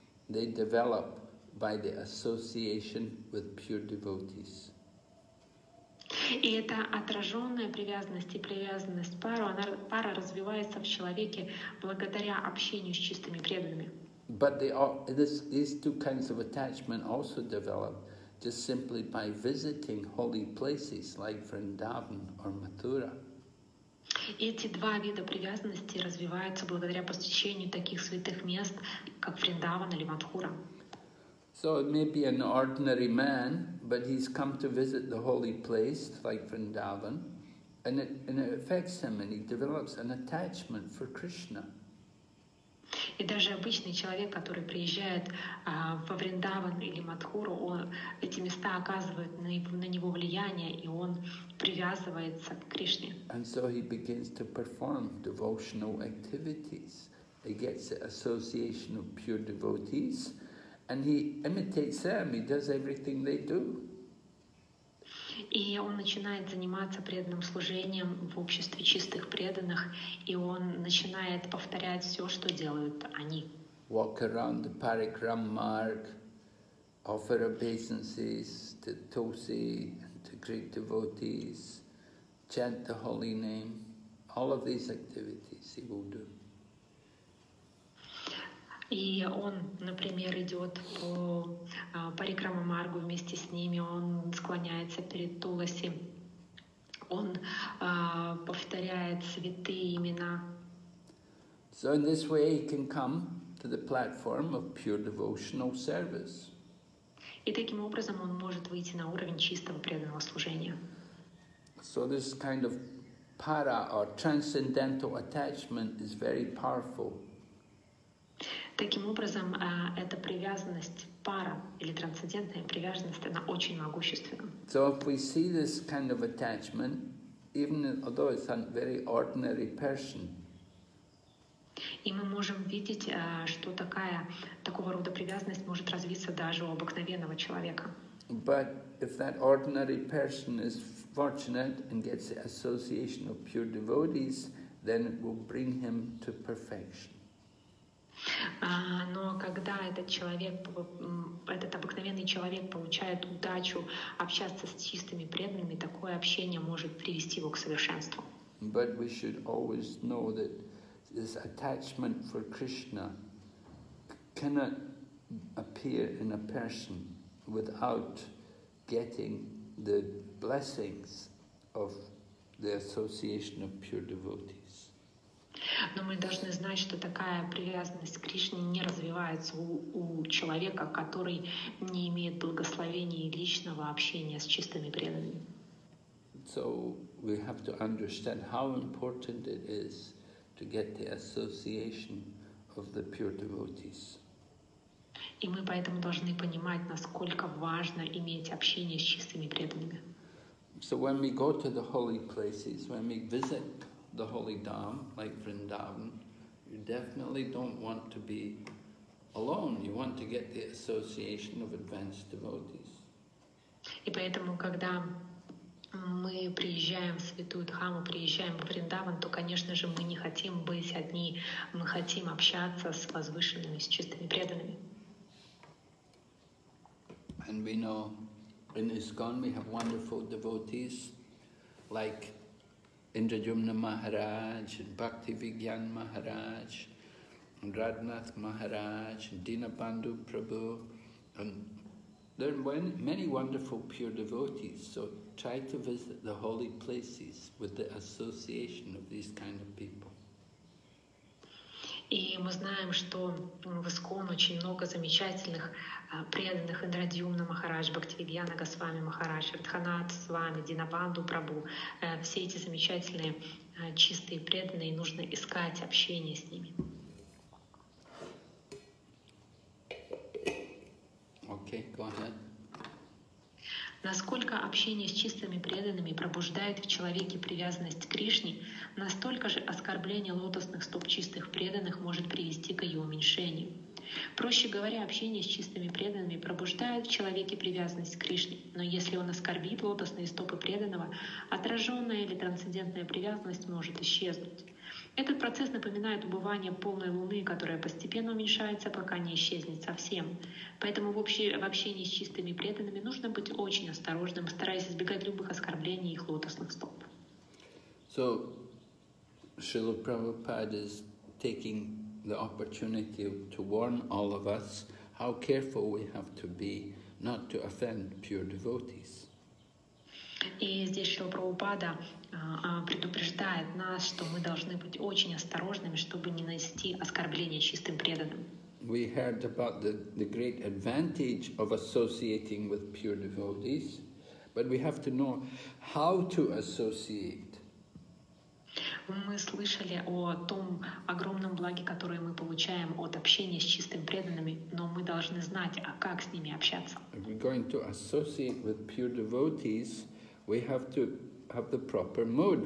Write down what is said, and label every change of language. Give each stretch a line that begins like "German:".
English: They develop by the association with pure devotees.
Russian: И эта отраженная привязанность и привязанность пара, она пара развивается в человеке благодаря общению с чистыми преданными.
English: But they all, these two kinds of attachment also develop just simply by visiting holy places like Vrindavan or Mathura.
Russian: Эти два вида привязанности развиваются благодаря посещению таких святых мест, как Вриндаван или Мадхура.
English: So it may be an ordinary man, but he's come to visit the holy place, like Vrindavan, and it affects him, and he develops an attachment for Krishna.
Russian: И даже обычный человек, который приезжает во Вриндаван или Матхуру, он, эти места оказывают на него влияние, и он привязывается к Кришне.
English: And so he begins to perform devotional activities. He gets the association of pure devotees, and he imitates them. He does everything they do.
Russian: И он начинает заниматься преданным служением в обществе чистых преданных, и он начинает повторять все, что делают они.
English: Walk around the Parikram Mark, offer obeisances to Tosi, to great devotees, chant the holy name. All of these activities he will do.
Russian: И он, например, идет по Парикрама Маргу вместе с ними, он склоняется перед Туласи, он повторяет святые имена.
English: So in this way he can come to the platform of pure devotional service.
Russian: И таким образом он может выйти на уровень чистого преданного служения.
English: So this kind of para or transcendental attachment is very powerful.
Russian: Таким образом, эта привязанность пара или трансцендентная привязанность, она очень могущественна.
English: So if we see this kind of attachment, even although it's a very ordinary person,
Russian: и мы можем видеть, что такого рода привязанность может развиться даже у обыкновенного человека.
English: But if that ordinary person is fortunate and gets the association of pure devotees, then it will bring him to perfection.
Russian: Но когда этот обыкновенный человек получает удачу общаться с чистыми преданными, такое общение может привести его к совершенству.
English: But we should always know that this attachment for Krishna cannot appear in a person without getting the blessings of the association of pure devotees.
Russian: Но мы должны знать, что такая привязанность к Кришне не развивается у человека, который не имеет благословения и личного общения с чистыми преданными.
English: So we have to understand how important it is to get the association of the pure devotees.
Russian: И мы поэтому должны понимать, насколько важно иметь общение с чистыми преданными.
English: So when we go to the holy places, when we visit the holy dham, like Vrindavan, you definitely don't want to be alone. You want to get the association of advanced devotees.
Russian: И поэтому, когда мы приезжаем в святую дхаму, приезжаем в Вриндаван, то, конечно же, мы не хотим быть одни. Мы хотим общаться с возвышенными, с чистыми преданными.
English: And we know in ISKCON we have wonderful devotees like Indrajumna Maharaj, and Bhakti Vigyan Maharaj, and Radhanath Maharaj, and Dinabandhu Prabhu, and there are many wonderful pure devotees. So try to visit the holy places with the association of these kind of people.
Russian: И мы знаем, что в ИСКОН очень много замечательных преданных: Индрадьюмна Махарадж, Бхактивигьяна Госвами Махарадж, Радханат Свами, Динабанду Прабу. Все эти замечательные чистые преданные, нужно искать общение с ними.
English: Okay, go ahead.
Russian: Насколько общение с чистыми преданными пробуждает в человеке привязанность к Кришне, настолько же оскорбление лотосных стоп чистых преданных может привести к ее уменьшению. Проще говоря, общение с чистыми преданными пробуждает в человеке привязанность к Кришне, но если он оскорбит лотосные стопы преданного, отраженная или трансцендентная привязанность может исчезнуть. Этот процесс напоминает убывание полной луны, которая постепенно уменьшается, пока не исчезнет совсем. Поэтому в общении с чистыми преданными нужно быть очень осторожным, стараясь избегать любых оскорблений их лотосных стоп.
English: So, Srila Prabhupada is taking the opportunity to warn all of us how careful we have to be not to offend pure devotees.
Russian: И здесь Шрила Прабхупада предупреждает нас, что мы должны быть очень осторожными, чтобы не нанести оскорбления чистым преданным.
English: We heard about the great advantage of associating with pure devotees, but we have to know how to associate.
Russian: Мы слышали о том огромном благи, которые мы получаем от общения с чистыми преданными, но мы должны знать, а как с ними общаться.
English: If we're going to associate with pure devotees, we have to have the proper mood.